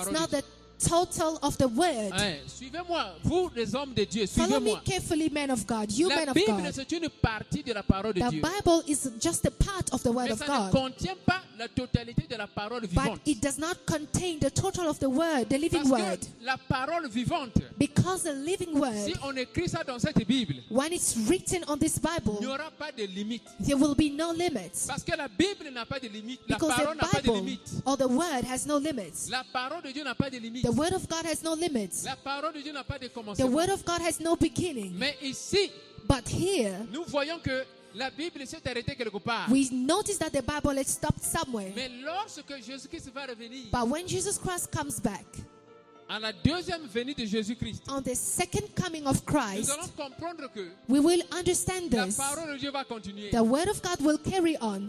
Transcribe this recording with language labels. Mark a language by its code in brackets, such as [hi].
[en] But it's not the total of the word. [fr] Hey, suivez-moi, vous les hommes de Dieu, suivez-moi. [en] Follow me carefully, men of God. You [fr] la [en] men of [fr] Bible [en] God. [fr] La Bible est une partie de la parole de [en] the [fr] Dieu. [en] The Bible is just a part of the word [fr] mais [en] of God. [fr] Mais ça ne contient pas la totalité de la parole vivante. [en] But it does not contain the total of the word, the living [fr] parce [en] word. [fr] Parce que la parole vivante. [en] Because the living word. [fr] Si on écrit ça dans cette Bible. [en] When it's written on this Bible. [fr] Il n'y aura pas de limites. [en] There will be no limits. [fr] Parce que la Bible n'a pas de limites. [en] Because [fr] la parole [en] the Bible [fr] n'a pas de limites. [en] Or the word has no limits. [fr] La parole de Dieu n'a pas de limites. [en] The word of God has no limits. [fr] La parole de Dieu n'a pas de commencement. [en] The word of God has no beginning. [fr] Mais ici, [en] but here, [fr] nous voyons que la Bible s'est arrêtée quelque part. [en] We notice that the Bible has stopped somewhere. [fr] Mais lorsque Jésus-Christ va revenir, [en] but when Jesus Christ comes back, [fr] à la deuxième venue de Jésus-Christ, [en] on the second coming of Christ, [fr] nous allons comprendre que [en] we will understand this. [fr] La parole de Dieu va continuer. [en] The word of God will carry on.